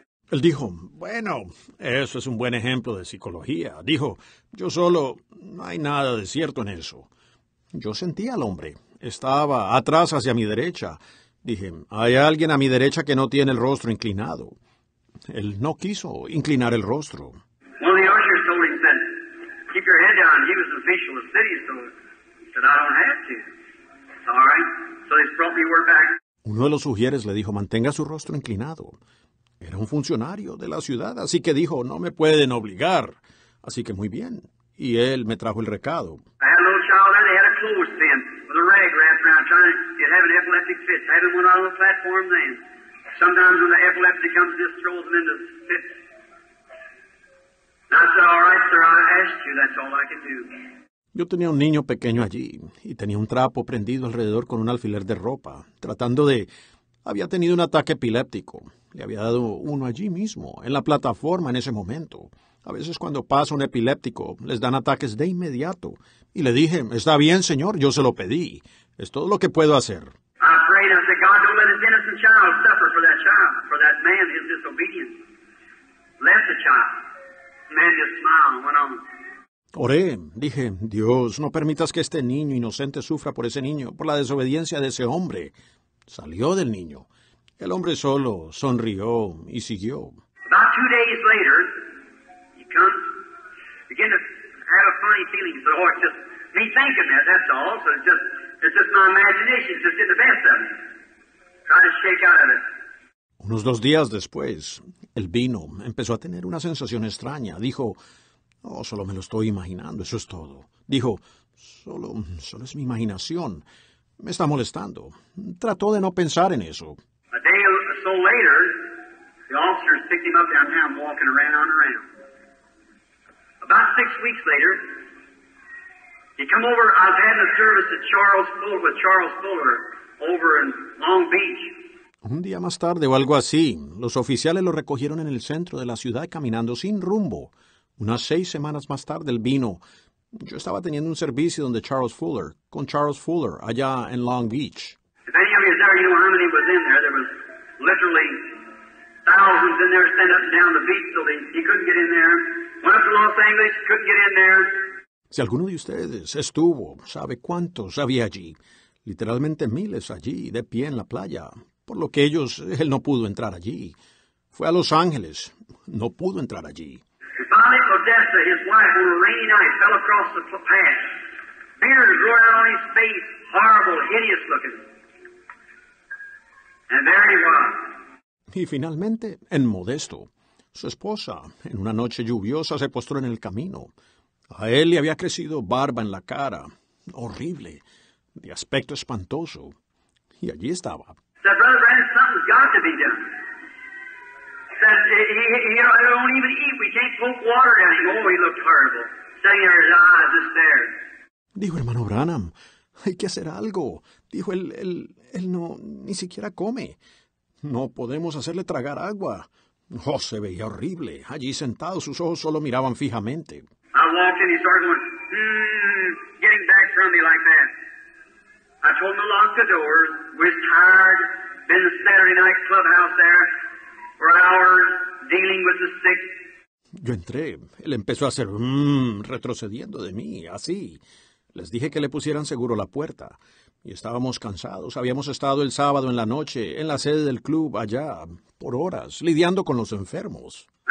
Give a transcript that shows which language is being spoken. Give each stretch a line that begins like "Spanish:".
Spanish: Él dijo, bueno, eso es un buen ejemplo de psicología. Dijo, yo solo, no hay nada de cierto en eso. Yo sentí al hombre. Estaba atrás hacia mi derecha. Dije, hay alguien a mi derecha que no tiene el rostro inclinado. Él no quiso inclinar el rostro.
English: Well, the usher told him, said, keep your head down. He was an official of the city, so he said, I don't have to. It's all right. So they brought me word back.
Spanish: Uno de los sugieres le dijo, mantenga su rostro inclinado. Era un funcionario de la ciudad, así que dijo, no me pueden obligar. Así que muy bien. Y él me trajo el recado.
English: I had a little child there, they had a clothespin with a rag wrapped around trying to have an epileptic fit. Having one on the platform then. Sometimes when the epileptic comes, just throws them into fits. And I said, all right, sir, I asked you, that's all I can do.
Spanish: Yo tenía un niño pequeño allí, y tenía un trapo prendido alrededor con un alfiler de ropa, tratando de... Había tenido un ataque epiléptico. Le había dado uno allí mismo, en la plataforma en ese momento. A veces cuando pasa un epiléptico, les dan ataques de inmediato. Y le dije, está bien, señor, yo se lo pedí. Es todo lo que puedo hacer.
English: I prayed, I said, God, don't let this innocent child suffer for that child, for that man, his disobedience. Left the child. The man just smiled and went on.
Spanish: Oré, dije, Dios, no permitas que este niño inocente sufra por ese niño, por la desobediencia de ese hombre. Salió del niño. El hombre solo sonrió y siguió.
English: About 2 days later, he comes, begin to have a funny feeling. He said, oh, it's just me thinking that, that's all. So it's just my imagination, it's just in the best of me. Try to shake out of it.
Spanish: Unos 2 días después, él vino, empezó a tener una sensación extraña. Dijo, oh, solo me lo estoy imaginando, eso es todo. Dijo, solo es mi imaginación. Me está molestando. Trató de no pensar en eso.
English: A day or so later, the officers picked him up downtown walking around and around. About 6 weeks later, he come over, I was having a service at Charles Fuller, with Charles Fuller over in Long Beach.
Spanish: Un día más tarde o algo así, los oficiales lo recogieron en el centro de la ciudad caminando sin rumbo. Unas 6 semanas más tarde, él vino. Yo estaba teniendo un servicio donde con Charles Fuller, allá en Long Beach.
English: If any of you there, you know how many was in there. There was literally thousands in there sent up and down the beach, so he couldn't get in there. Went up to Los Angeles, couldn't get in there.
Spanish: Si alguno de ustedes estuvo, sabe cuántos había allí. Literalmente miles allí, de pie en la playa. Por lo que él no pudo entrar allí. Fue a Los Ángeles, no pudo entrar allí.
English: Finally, Odessa, his wife, on a rainy night, fell across the path. Beard grew out on his face, horrible, hideous looking. And there he was.
Spanish: Y finalmente, en Modesto, su esposa, en una noche lluviosa, se postró en el camino. A él le había crecido barba en la cara, horrible, de aspecto espantoso. Y allí estaba.
English: Said, Brother Brandon, something's got to be done. he don't even eat. We can't poke water down him. Oh, he looked horrible. Sitting there, his eyes just there.
Spanish: Dijo hermano Branham, hay que hacer algo. Dijo, él no, ni siquiera come. No podemos hacerle tragar agua. Oh, se veía horrible. Allí sentado, sus ojos solo miraban fijamente.
English: I walked in, he started going, getting back from me like that. I told him to lock the door. We're tired. Been the Saturday night clubhouse there for hours dealing with the sick.
Spanish: Yo entré. Él empezó a hacer, retrocediendo de mí, así. Les dije que le pusieran seguro la puerta. Y estábamos cansados. Habíamos estado el sábado en la noche en la sede del club allá, por horas, lidiando con los enfermos.